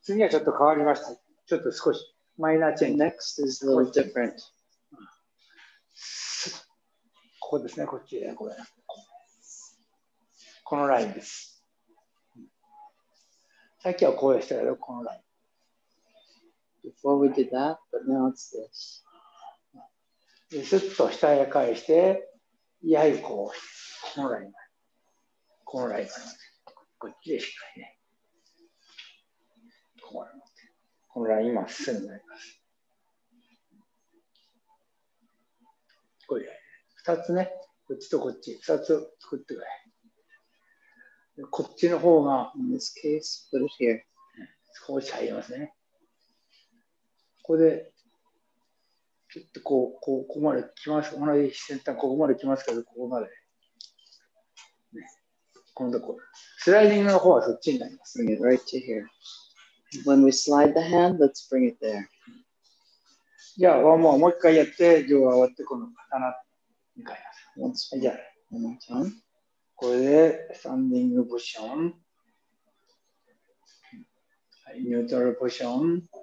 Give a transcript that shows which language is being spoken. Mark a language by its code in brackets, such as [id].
[ja] 次はちょっと変わりました。ちょっと少し、マイナーチェンジ。 [en] Next is a little different。 [ja] ここですね、こっちで、これ。このラインです。さっきはこうでしたけど、このライン。 [en] Before we did that, but now it's this. [ja] で、スッと下へ返して、やいこう、このライン。このライン。こっちでしっかりね。このライン、今、まっすぐになります。こういうライン。二つね、こっちとこっち、二つ作ってください。こっちの方が、 [en] in this case, put it here. [ja] 少し入りますね。ここで、ちょっとこう、ここまで来ます。同じ先端、ここまで来ますけど、ここまで。ね、今度こう、スライディングの方はそっちになります。 [en] Bring it right to here. When we slide the hand, let's bring it there. [ja] じゃあ、ワンモア、もう一回やって、今日は終わって、この刀に変えます。 [en] Once more. One more time. [ja] これで、スタンディングポジション。はい、ニュートラルポジション。